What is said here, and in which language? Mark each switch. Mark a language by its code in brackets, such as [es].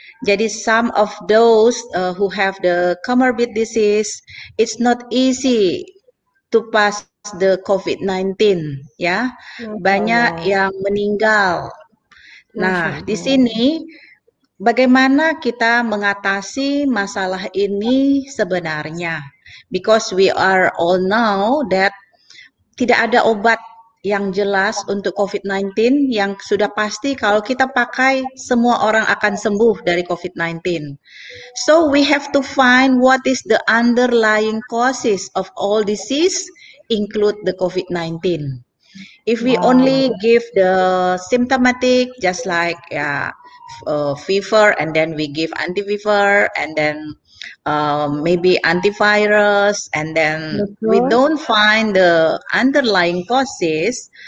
[en] Jadi some of those who have the comorbid disease, it's not easy to pass the COVID-19, ya. [id] Yeah? Banyak yang meninggal. Nah, di sini bagaimana kita mengatasi masalah ini sebenarnya? [en] Because we are all know that [id] tidak ada obat yang jelas untuk COVID-19 yang sudah pasti kalau kita pakai semua orang akan sembuh dari COVID-19. [en] So we have to find what is the underlying causes of all disease include the COVID-19. If we only give the symptomatic just like fever and then we give anti-fever and then maybe antivirus and then we don't find the underlying causes.